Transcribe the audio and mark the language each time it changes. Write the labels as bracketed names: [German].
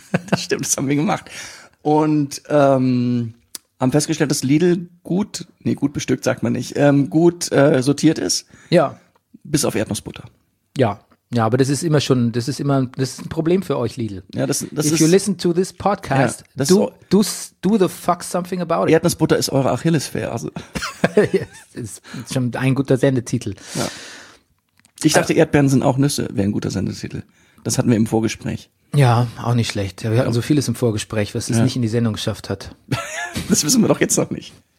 [German] Das stimmt, das haben wir gemacht. Und haben festgestellt, dass Lidl gut bestückt, sagt man nicht, gut sortiert ist. Ja. Bis auf Erdnussbutter. Ja, aber das ist ein Problem für euch, Lidl. Ja, das [English] If [German] ist, [English] you listen to this podcast, ja, do the fuck something about it. [German] Erdnussbutter ist eure Achillesferse. Also. Das ist schon ein guter Sendetitel. Ja. Ich dachte, Erdbeeren sind auch Nüsse, wäre ein guter Sendetitel. Das hatten wir im Vorgespräch. Ja, auch nicht schlecht. Ja, wir hatten so vieles im Vorgespräch, was es nicht in die Sendung geschafft hat. Das wissen wir doch jetzt noch nicht.